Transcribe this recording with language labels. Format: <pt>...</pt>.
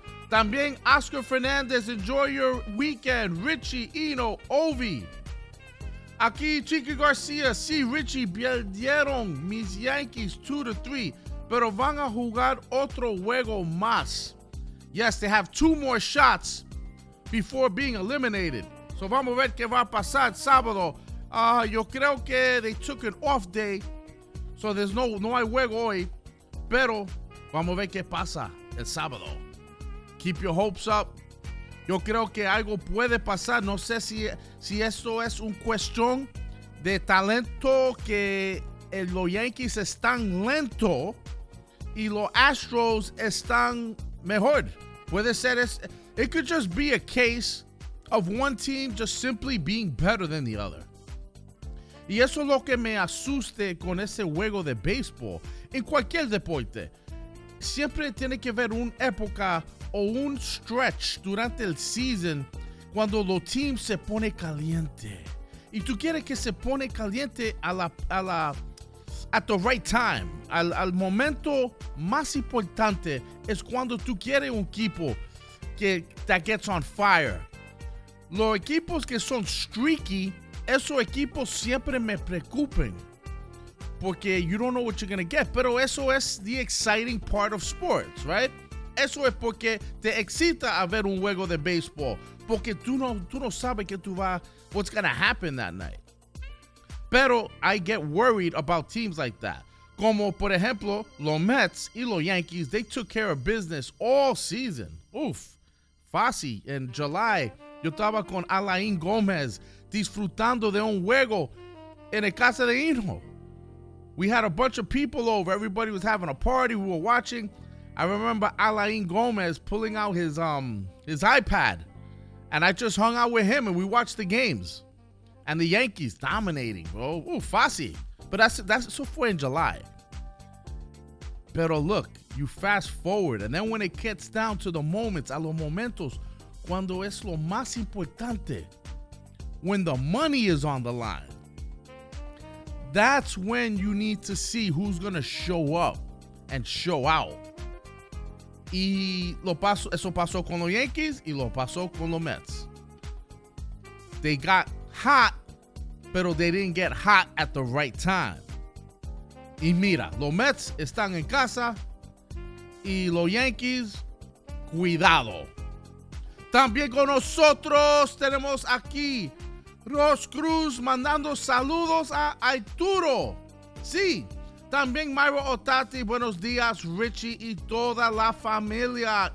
<es>También</es> <en>Oscar Fernandez, enjoy your weekend. Richie, Hino, Ovi.</en> <es>Aquí Chiqui García, sí, Richie, perdieron mis Yankees 2-3, pero van a jugar otro juego más.</es> <en>Yes, they have 2 more shots before being eliminated.</en> <es>So vamos a ver qué va a pasar sábado. Yo creo que</es> <en>they took an off day, so there's no</en> <es>hay juego hoy, pero vamos a ver qué pasa el sábado.</es> <en>Keep your hopes up.</en> <es>Yo creo que algo puede pasar. No sé si esto es un cuestión de talento, que los Yankees están lento y los Astros están mejor. Puede ser.</es> <en>It could just be a case of one team just simply being better than the other.</en> <es>Y eso es lo que me asuste con ese juego de béisbol. En cualquier deporte, siempre tiene que haber una época o un stretch durante el season cuando los teams se pone caliente. Y tú quieres que se pone caliente</es> <en>at the right time.</en> <es>Al momento más importante es cuando tú quieres un equipo</es> <en>that gets on fire.</en> <es>Los equipos que son streaky, esos equipos siempre me preocupan. Porque</es> <en>you don't know what you're going to get.</en> <es>Pero eso es</es> <en>the exciting part of sports, right?</en> <es>Eso es porque te excita a ver un juego de béisbol. Porque tú no sabes que tú vas,</es> <en>what's going to happen that night.</en> <es>Pero</es> <en>I get worried about teams like that.</en> <es>Como, por ejemplo, los Mets y los Yankees,</es> <en>they took care of business all season.</en> <es>Uf, fácil. En July, yo estaba con Alain Gómez disfrutando de un juego en el casa de Hino.</es> <en>We had a bunch of people over. Everybody was having a party. We were watching. I remember Alain Gomez pulling out his iPad. And I just hung out with him and we watched the games. And the Yankees dominating, bro. Ooh, fácil. But that's so far in July.</en> <es>Pero</es> <en>look, you fast forward, and then when it gets down to the moments,</en> <es>a los momentos, cuando es lo más importante,</es> <en>when the money is on the line, that's when you need to see who's going to show up and show out.</en> <es>Y lo paso, eso pasó con los Yankees y lo pasó con los Mets.</es> <en>They got hot,</en> <es>pero</es> <en>they didn't get hot at the right time.</en> <es>Y mira, los Mets están en casa y los Yankees, cuidado. También con nosotros tenemos aquí Ross Cruz mandando saludos a Arturo. Sí, también Myra Otati. Buenos días, Richie y toda la familia.</es>